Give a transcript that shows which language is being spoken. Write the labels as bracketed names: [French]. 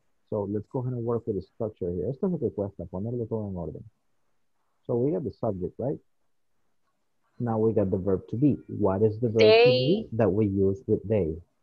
[English] So, let's go ahead and work with the structure here. [Spanish] Esto es lo que cuesta, ponerlo todo en orden. [English] So, we got the subject, right? Now we got the verb to be. What is the verb to be that we use with they?